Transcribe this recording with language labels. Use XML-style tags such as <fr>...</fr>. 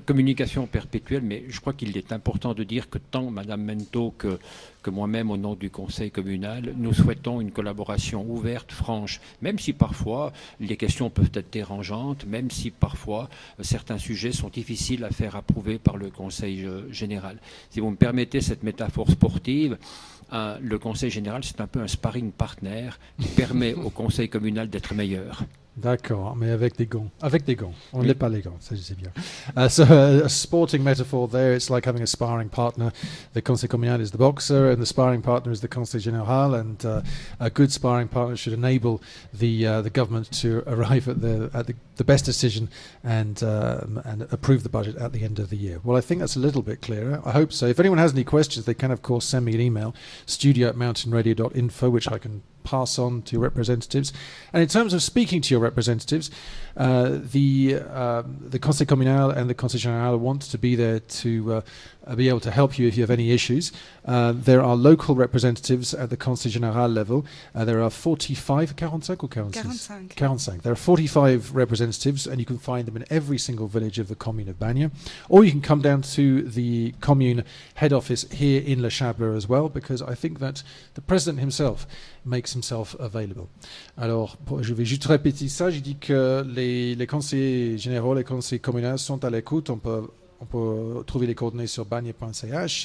<fr>Communication perpétuelle, mais je crois qu'il est important de dire que tant Mme Mento que moi-même, au nom du Conseil communal, nous souhaitons une collaboration ouverte, franche, même si parfois les questions peuvent être dérangeantes, même si parfois certains sujets sont difficiles à faire approuver par le Conseil général. Si vous me permettez cette métaphore sportive, le Conseil général, c'est un peu un sparring partner qui permet au Conseil communal d'être meilleur. D'accord, mais avec des gants. Avec des gants. On n'est pas les gants, ça je sais bien.</fr> <en>So a sporting metaphor there, it's like having a sparring partner. The Conseil communal is the boxer and the sparring partner is the Conseil général. And a good sparring partner should enable the government to arrive at the best decision and approve the budget at the end of the year. Well, I think that's a little bit clearer. I hope so. If anyone has any questions, they can, of course, send me an email, studio@mountainradio.info, which I can pass on to your representatives. And in terms of speaking to your representatives, the Conseil communal and the Conseil général want to be there to be able to help you if you have any issues. There are local representatives at the Conseil général level. There are 45. There are 45 representatives, and you can find them in every single village of the commune of Bagne. Or you can come down to the commune head office here in Le Chablais as well, because I think that the president himself makes himself available.</en> <fr>Alors, je vais juste répéter ça. J'ai dit que les conseillers généraux, les conseillers communaux sont à l'écoute. On peut trouver les coordonnées sur bagne.ch.</fr>